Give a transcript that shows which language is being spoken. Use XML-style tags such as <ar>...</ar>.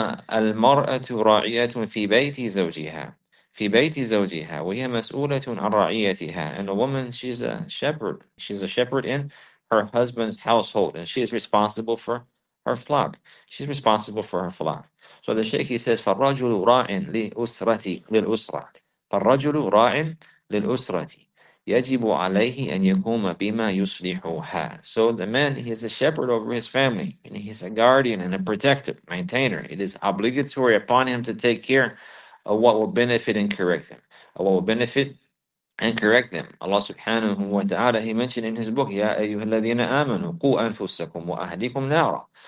<ar>وَالْمَرْأَةُ رَاعِيَةٌ فِي بَيْتِ زَوْجِهَا فِي بَيْتِ زَوْجِهَا وَهِيَ مَسْئُولَةٌ عَنْ رَاعِيَتِهَا.</ar> <en>And a woman, she's a shepherd. She's a shepherd in her husband's household, and she is responsible for her flock. She's responsible for her flock.</en> <ar>So the Shaykh, he says, فَالرَّجُلُ رَاعٍ لِأُسْرَتِي لِلْأُسْرَةِ فَالرَّجُلُ رَاعٍ لِلْأُسْرَةِ يَجِبُ عَلَيْهِ أَنْ يَكُومَ بِمَا يُصْلِحُهَا.</ar> <en>So the man, he is a shepherd over his family, and he is a guardian and a protector, maintainer. It is obligatory upon him to take care of what will benefit and correct them. What will benefit and correct them. Allah subhanahu wa ta'ala, he mentioned in his book, يَا أَيُّهَا الَّذِينَ آمَنُوا قُوا أَنفُسَكُمْ وَأَهْلِكُمْ نَارًا.</en>